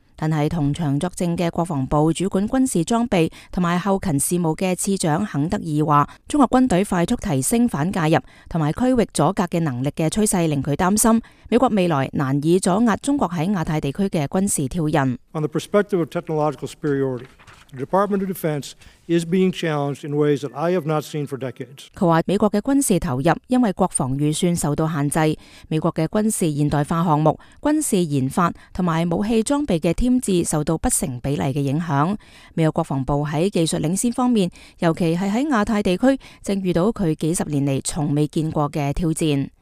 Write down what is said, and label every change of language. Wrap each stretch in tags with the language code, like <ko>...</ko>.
<zh>但是同场作证的国防部主管军事装备和后勤事务的次长肯德尔说，中国军队快速提升反介入和区域阻隔的能力的趋势令他担心，美国未来难以阻压中国在亚太地区的军事挑衅。</zh> <en>On the perspective of technological superiority, the Department of Defense is being challenged in ways that I have not seen for decades.</en> <zh>他說美國的軍事投入因為國防預算受到限制，美國的軍事現代化項目、軍事研發和武器裝備的添置受到不成比例的影響。美國國防部在技術領先方面，尤其是在亞太地區，正遇到他幾十年來從未見過的挑戰。</zh>